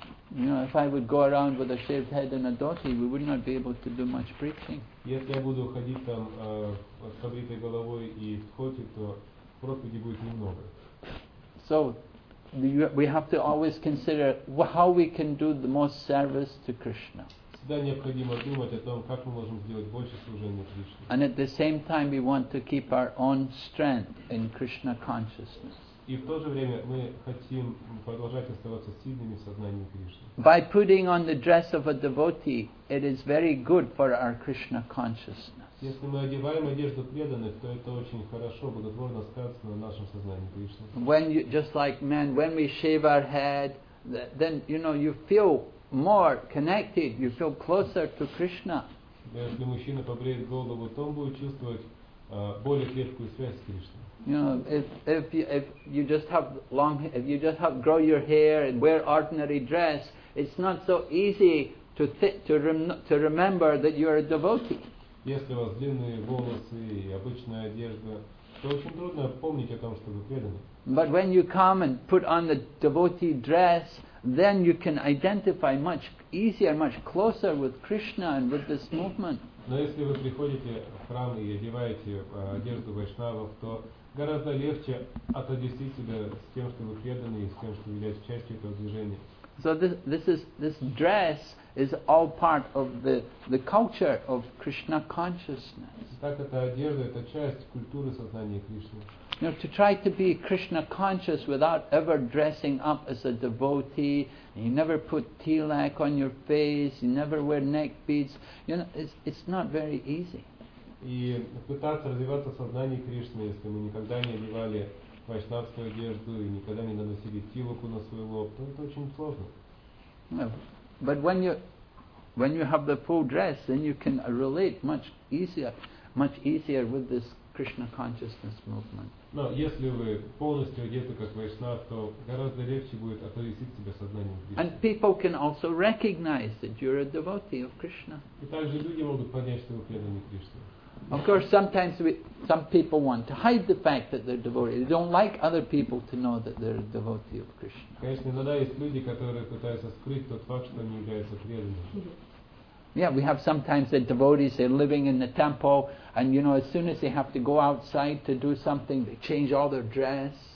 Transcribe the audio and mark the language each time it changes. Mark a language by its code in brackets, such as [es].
[en] You know, if I would go around with a shaved head and a dhoti, we would not be able to do much preaching. [ru] Если я буду ходить там с обритой головой и в дхоти, то проповеди будет немного. [en] So, we have to always consider how we can do the most service to Krishna. [ru] Всегда необходимо думать о том, как мы можем сделать больше служения Кришне. [en] And at the same time, we want to keep our own strength in Krishna consciousness. [ru] И в то же время мы хотим продолжать оставаться сильными в сознании Кришны. [en] By putting on the dress of a devotee, it is very good for our Krishna consciousness. [ru] Если мы одеваем одежду преданных, то это очень хорошо, благотворно сказывается на нашем сознании Кришны. [en] When you, just like men, when we shave our head, then you know you feel more connected, you feel closer to Krishna. [ru] Если мужчина побреет голову, то он будет чувствовать более крепкую связь с Кришной. [en] You know, if you just grow your hair and wear ordinary dress, it's not so easy to remember that you are a devotee. [ru] Если у вас длинные волосы и обычная одежда, то очень трудно помнить о том, что вы преданы. [en] But when you come and put on the devotee dress, then you can identify much easier, much closer with Krishna and with this movement. [ru] Но если вы приходите в храм и одеваете одежду вайшнавов, то гораздо легче отождествить себя с тем, что вы преданы, и с тем, что являетесь частью этого движения. [en] So this dress is all part of the culture of Krishna consciousness. [ru] Так эта одежда — это часть культуры сознания Кришны. [en] Now to try to be Krishna conscious without ever dressing up as a devotee, you never put tilak on your face, you never wear neck beads, you know, it's not very easy. [ru] И пытаться развиваться в сознании Кришны, если мы никогда не одевали вайшнавскую одежду и никогда не наносили тилаку на свой лоб, то это очень сложно. [en] But when you have the full dress, then you can relate much easier with this Krishna consciousness movement. [ru] Но если вы полностью одеты как вайшнав, то гораздо легче будет оповестить себя сознанием Кришны. [en] And people can also recognize that you're a devotee of Krishna. [ru] И также люди могут понять, что вы преданный Кришне. [en] Of course, sometimes some people want to hide the fact that they're devotees. They don't like other people to know that they're a devotee of Krishna. [ru] Конечно, иногда есть люди, которые пытаются скрыть тот факт, что они являются преданными. [en] Yeah, we have sometimes the devotees, they're living in the temple, and you know, as soon as they have to go outside to do something, they change all their dress.